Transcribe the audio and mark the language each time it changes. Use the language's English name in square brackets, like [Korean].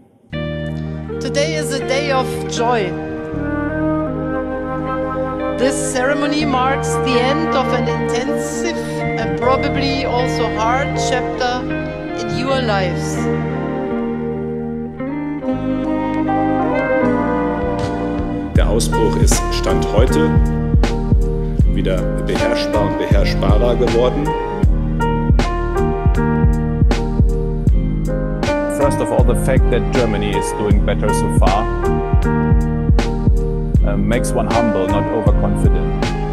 [English] Today is a day of joy. This ceremony marks the end of an intensive and probably also hard chapter in your lives. [German] Der Ausbruch ist Stand heute wieder beherrschbar und beherrschbarer geworden. [English] First of all, the fact that Germany is doing better so far makes one humble, not overconfident.